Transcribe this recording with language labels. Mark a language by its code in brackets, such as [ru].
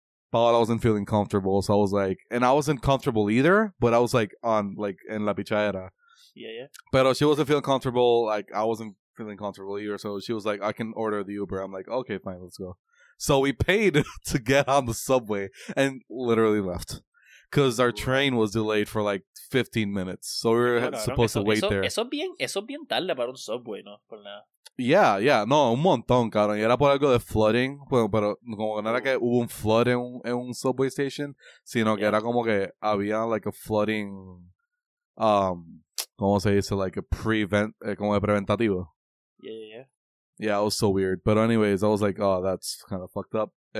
[en] But I wasn't feeling comfortable, so I was like, and I wasn't comfortable either, but I was like on, like, [es] en la pichadera. [en] Yeah. Pero she wasn't feeling comfortable, like, I wasn't feeling comfortable either, so she was like, I can order the Uber. I'm like, okay, fine, let's go. So we paid to get on the subway and literally left. Because our train was delayed for like 15 minutes. So we were supposed to wait there. [es] Eso es bien tarde para un subway, ¿no? Por nada. [en] Yeah, yeah. [es] No, un montón, cabrón. Y era por algo de flooding. Bueno, pero como que no era que hubo un flood en un subway station, sino que era como que había [en] like a flooding, [es] ¿cómo se dice? [en] Like a prevent, [es] como de preventativo. [en] Yeah, yeah, yeah. Yeah, it was so weird. But anyways, I was like, oh, that's kind of fucked up.